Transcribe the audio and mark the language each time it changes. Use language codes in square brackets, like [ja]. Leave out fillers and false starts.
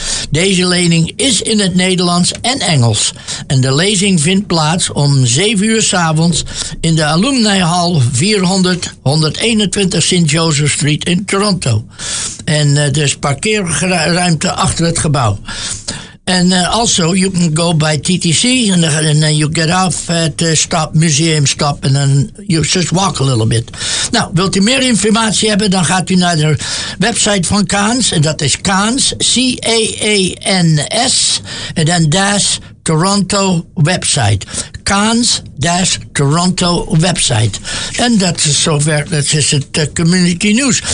[nl] Deze lezing is in het Nederlands en Engels en de lezing vindt plaats om 7 uur 's avonds in de Alumni Hall 400-121 St. Joseph Street in Toronto. En dus parkeerruimte achter het gebouw. [en] And also, you can go by TTC, and then you get off at Stop Museum Stop, and then you just walk a little bit. [nl] Nou, wilt u meer informatie hebben, dan gaat u naar de website van Kaans, en dat is Kaans, C-A-A-N-S, [en] and then dash Toronto website. [nl] Kaans-Toronto website. En dat is zover, dat is het community news.